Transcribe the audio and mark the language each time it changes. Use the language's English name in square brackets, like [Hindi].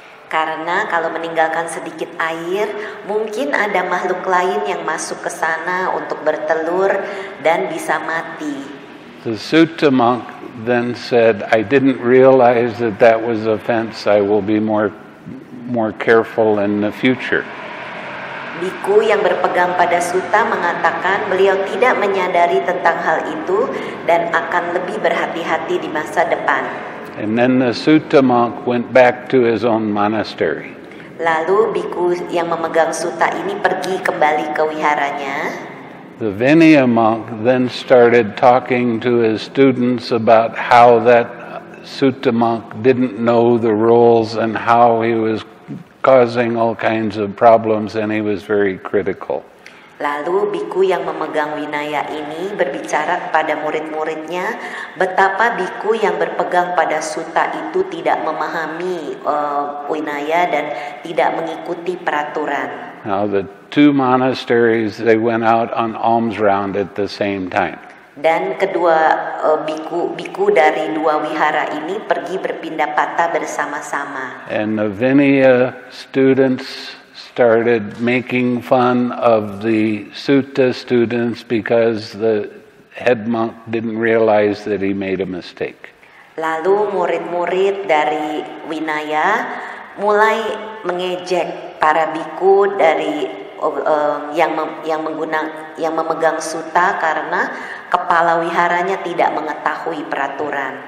[Indonesian] Karena kalau meninggalkan sedikit air, mungkin ada makhluk lain yang masuk ke sana untuk bertelur dan bisa mati. [English] The Sutta monk then said, "I didn't realize that that was offense. I will be more careful in the future." [Indonesian] Bhikkhu yang berpegang pada sutta mengatakan beliau tidak menyadari tentang hal itu dan akan lebih berhati-hati di masa depan. [English] And then the sutta monk went back to his own monastery. [Indonesian] Lalu bhikkhu yang memegang sutta ini pergi kembali ke wiharanya. [English] The Vinaya monk then started talking to his students about how that sutta monk didn't know the rules and how he was causing all kinds of problems, and he was very critical. [Indonesian] Lalu biku yang memegang winaya ini berbicara kepada murid-muridnya, betapa biku yang berpegang pada sutta itu tidak memahami winaya dan tidak mengikuti peraturan. [English] Now the two monasteries, they went out on alms round at the same time. [Indonesian] Dan kedua biku dari dua wihara ini pergi berpindah patah bersama-sama. [English] And the Vinaya students started making fun of the Sutta students because the head monk didn't realize that he made a mistake. [Indonesian] Lalu murid-murid dari Vinaya mulai mengejek para biku dari yang memegang sutta karena kepala wiharanya tidak mengetahui peraturan.